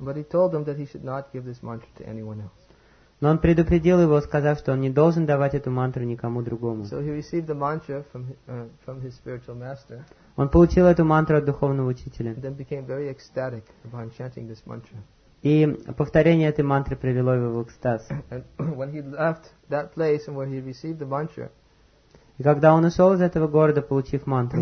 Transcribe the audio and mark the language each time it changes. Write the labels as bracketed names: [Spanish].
[English] But he told them that he should not give this mantra to anyone else. [Russian] Но он предупредил его, сказав, что он не должен давать эту мантру никому другому. [English] So he received the mantra from his spiritual master. [Russian] Он получил эту мантру от духовного учителя. [English] And then became very ecstatic upon chanting this mantra. [Russian] И повторение этой мантры привело его в экстаз. [English] And when he left that place and where he received the mantra, [Russian] и когда он ушел из этого города, получив мантру,